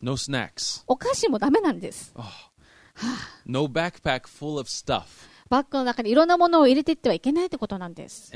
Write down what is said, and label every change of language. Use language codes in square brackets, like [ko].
[en] No snacks. [ja] お菓子もダメなんです。 Oh. [en] No backpack full of stuff. [ja] バッグの中にいろんなものを入れていってはいけないってことなんです。